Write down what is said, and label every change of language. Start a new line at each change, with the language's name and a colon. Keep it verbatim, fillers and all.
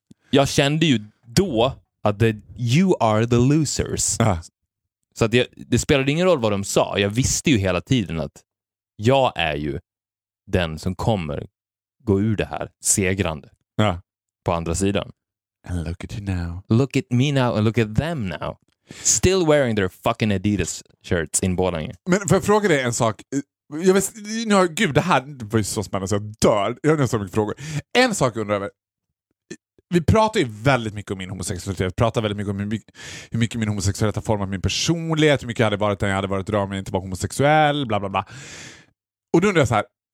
Swedish: Jag kände ju då att det,
English: you are the losers. Ah.
Swedish: Så att jag, det spelade ingen roll vad de sa. Jag visste ju hela tiden att jag är ju den som kommer gå ur det här segrande ah. på andra sidan.
English: And look at you now. Look at me now and look at them now. Still wearing their fucking Adidas shirts in Borlänge.
Swedish: Men får jag fråga dig en sak? Jag vet, no, gud, det här var ju så spännande så jag dör. Jag har nästan mycket frågor. En sak jag undrar över. Vi pratar ju väldigt mycket om min homosexualitet. Vi pratar väldigt mycket om hur mycket, hur mycket min homosexualitet har format min personlighet. Hur mycket jag hade varit när jag hade varit idag men inte var homosexuell. Bla bla bla. Och då undrar jag så här.